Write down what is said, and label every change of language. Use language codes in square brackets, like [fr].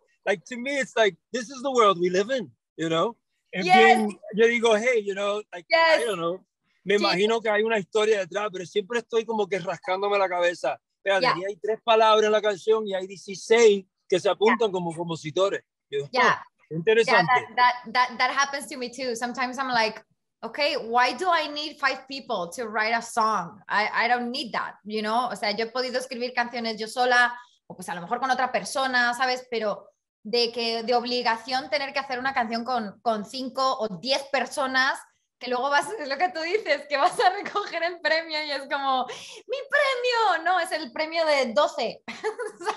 [en] Like, to me, it's like, this is the world we live in, [es] Es bien, yo digo, [en] hey, like, I don't know. [es] Me imagino que hay una historia detrás, pero siempre estoy como que rascándome la cabeza. Espérate, y hay tres palabras en la canción y hay 16 que se apuntan como compositores. Yo, oh, interesante. [en] That happens to me too. Sometimes I'm like, okay, why do I need five people to write a song? I don't need that, you know? [es] O sea, yo he podido escribir canciones yo sola, o pues a lo mejor con otra persona, ¿sabes? Pero de obligación tener que hacer una canción con 5 o 10 personas, que luego vas, es lo que tú dices, que vas a recoger el premio y es como, mi premio, no, es el premio de 12, ¿sabes?